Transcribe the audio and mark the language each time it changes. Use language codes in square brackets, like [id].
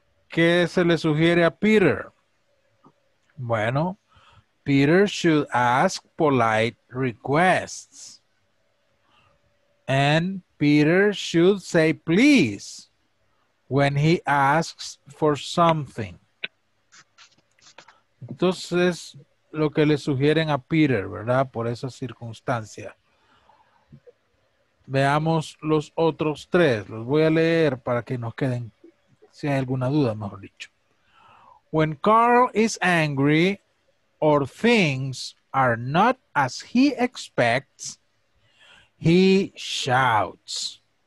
[es] ¿Qué se le sugiere a Peter? Bueno, [en] Peter should ask polite requests. And Peter should say please when he asks for something. [es] Entonces, lo que le sugieren a Peter, ¿verdad? Por esa circunstancia. Veamos los otros tres. Los voy a leer para que nos queden, si hay alguna duda, mejor dicho. [en] When Carl is angry or things are not as he expects, he shouts.